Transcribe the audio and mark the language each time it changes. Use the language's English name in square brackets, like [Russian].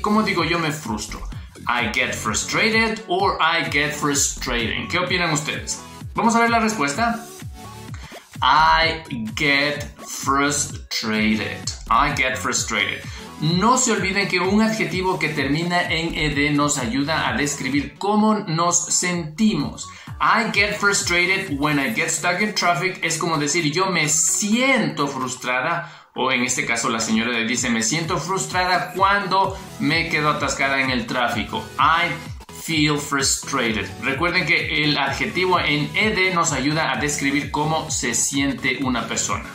[Spanish] ¿Cómo digo yo me frustro? [English] I get frustrated or I get frustrating. [Spanish] ¿Qué opinan ustedes? Vamos a ver la respuesta. [English] I get frustrated. I get frustrated. [Spanish] No se olviden que un adjetivo que termina en ed nos ayuda a describir cómo nos sentimos. [English] I get frustrated when I get stuck in traffic. [Spanish] Es como decir yo me siento frustrada. O en este caso la señora dice me siento frustrada cuando me quedo atascada en el tráfico. [English] I feel frustrated. [Spanish] Recuerden que el adjetivo en ed nos ayuda a describir cómo se siente una persona.